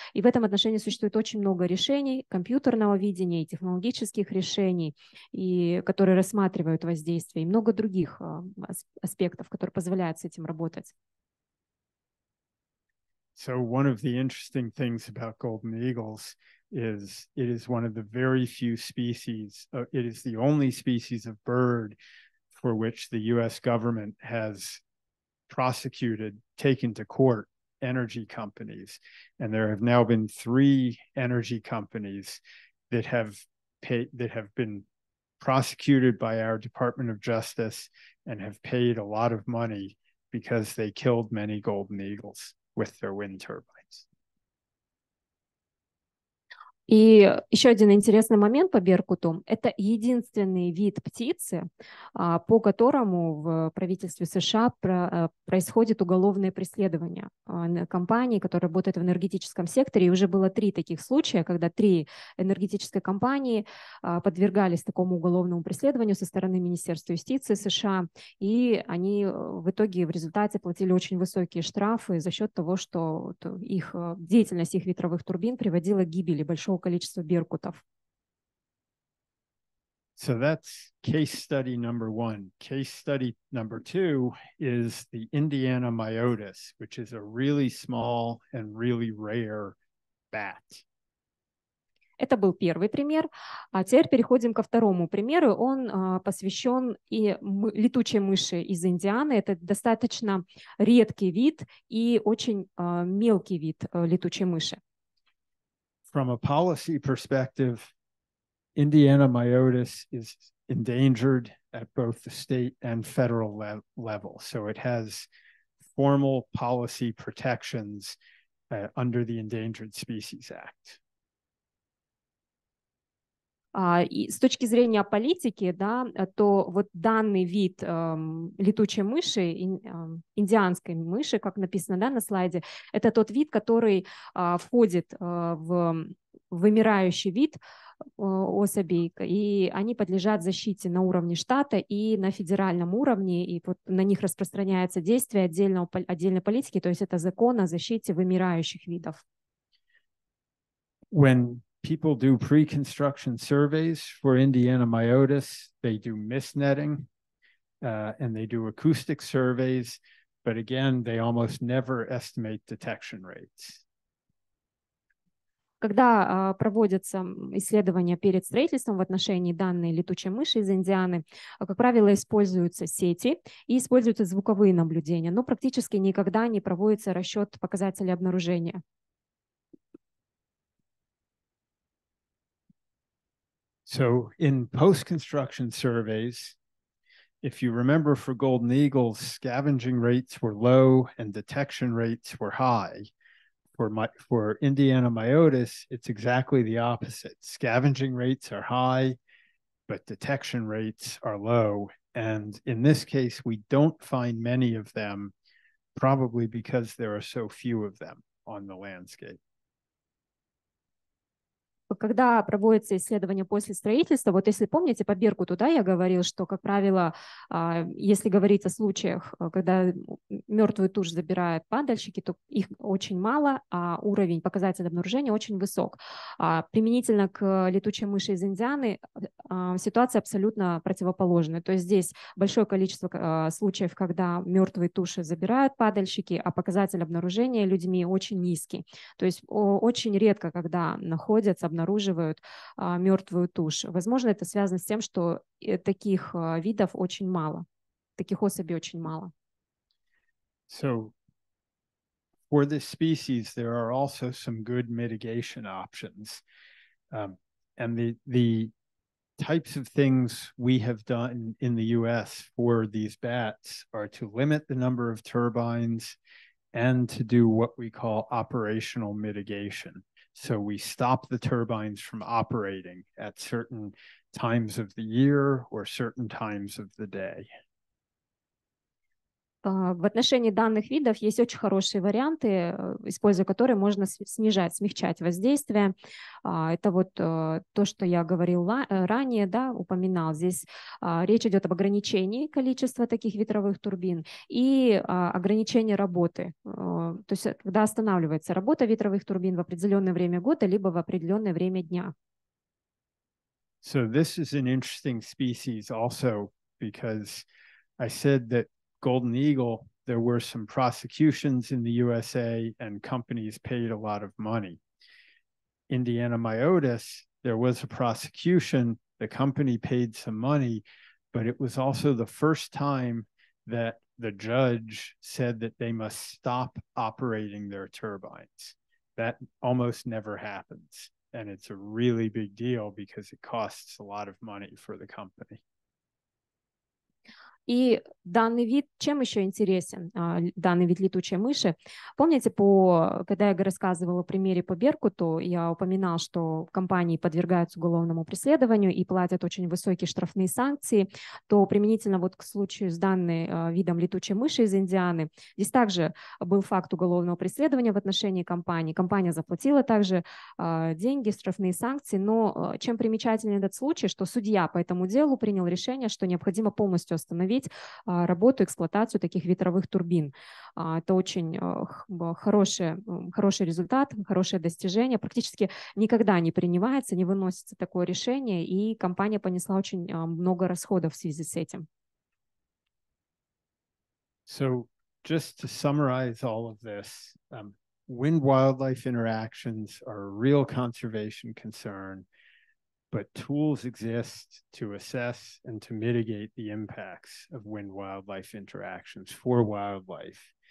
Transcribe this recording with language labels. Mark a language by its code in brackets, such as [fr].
[ru] И в этом отношении существует очень много решений компьютерного видения и технологических решений, и, которые рассматривают воздействие, и много других аспектов, которые позволяют с этим работать. [en] So one of the interesting things about golden eagles is it is one of the very few species, it is the only species of bird for which the US government has prosecuted, taken to court energy companies. And there have now been three energy companies that have been prosecuted by our Department of Justice and have paid a lot of money because they killed many golden eagles with their wind turbines. [ru] И еще один интересный момент по беркуту. Это единственный вид птицы, по которому в правительстве США происходит уголовное преследование компаний, которые работают в энергетическом секторе. И уже было три таких случая, когда три энергетической компании подвергались такому уголовному преследованию со стороны Министерства юстиции США. И они в итоге в результате платили очень высокие штрафы за счет того, что их деятельность, их ветровых турбин приводила к гибели большого количество беркутов. [en] So that's case study number one. Case study number two is the Indiana myotis, which is a really small and really rare bat. [ru] Это был первый пример. А теперь переходим ко второму примеру. Он посвящен и летучей мыши из Индианы. Это достаточно редкий вид и очень мелкий вид летучей мыши. [en] From a policy perspective, Indiana myotis is endangered at both the state and federal level. So it has formal policy protections under the Endangered Species Act. [ru] И с точки зрения политики, да, то вот данный вид летучей мыши, индианской мыши, как написано, да, на слайде, это тот вид, который входит в вымирающий вид особей, и они подлежат защите на уровне штата и на федеральном уровне, и вот на них распространяется действие отдельной политики, то есть это закон о защите вымирающих видов. [en] When people do pre-construction surveys for Indiana myotis, they do mist netting, and they do acoustic surveys, but again, they almost never estimate detection rates. [ru] Когда проводятся исследования перед строительством в отношении данной летучей мыши из Индианы, как правило, используются сети и используются звуковые наблюдения, но практически никогда не проводится расчет показателей обнаружения. [en] So in post-construction surveys, if you remember for golden eagles, scavenging rates were low and detection rates were high. For Indiana myotis, it's exactly the opposite. Scavenging rates are high, but detection rates are low. And in this case, we don't find many of them, probably because there are so few of them on the landscape. [ru] Когда проводится исследование после строительства, вот если помните, по беркуту, да, я говорил, что, как правило, если говорить о случаях, когда мертвую тушь забирают падальщики, то их очень мало, а уровень показателя обнаружения очень высок. Применительно к летучей мыши из Индианы ситуация абсолютно противоположная. То есть здесь большое количество случаев, когда мертвые туши забирают падальщики, а показатель обнаружения людьми очень низкий. То есть очень редко, когда находятся обнаружения, обнаруживают мертвую тушь. Возможно, это связано с тем, что таких видов очень мало, таких особей очень мало. [en] So for this species, there are also some good mitigation options. And the types of things we have done in the US for these bats are to limit the number of turbines and to do what we call operational mitigation. So we stop the turbines from operating at certain times of the year or certain times of the day. [ru] В отношении данных видов есть очень хорошие варианты, используя которые можно снижать, смягчать воздействие. Это вот то, что я говорил ранее, да, упоминал. Здесь речь идет об ограничении количества таких ветровых турбин и ограничении работы. То есть когда останавливается работа ветровых турбин в определенное время года либо в определенное время дня. [en] So this is an interesting species also, because I said that Golden Eagle, there were some prosecutions in the USA and companies paid a lot of money. Indiana Myotis, there was a prosecution, the company paid some money, but it was also the first time that the judge said that they must stop operating their turbines. That almost never happens. And it's a really big deal because it costs a lot of money for the company. [ru] И данный вид, чем еще интересен, данный вид летучей мыши? Помните, когда я рассказывала о примере по Беркуту, я упоминала, что компании подвергаются уголовному преследованию и платят очень высокие штрафные санкции, то применительно вот к случаю с данным видом летучей мыши из Индианы, здесь также был факт уголовного преследования в отношении компании. Компания заплатила также деньги, штрафные санкции, но чем примечателен этот случай, что судья по этому делу принял решение, что необходимо полностью остановить работу, эксплуатацию таких ветровых турбин. Это очень хороший результат, хорошее достижение. Практически никогда не принимается, не выносится такое решение, и компания понесла очень много расходов в связи с этим. [en] So, just to summarize all of this, wind-wildlife interactions are a real conservation concern, but tools exist to assess and to mitigate the impacts of wind-wildlife interactions for wildlife.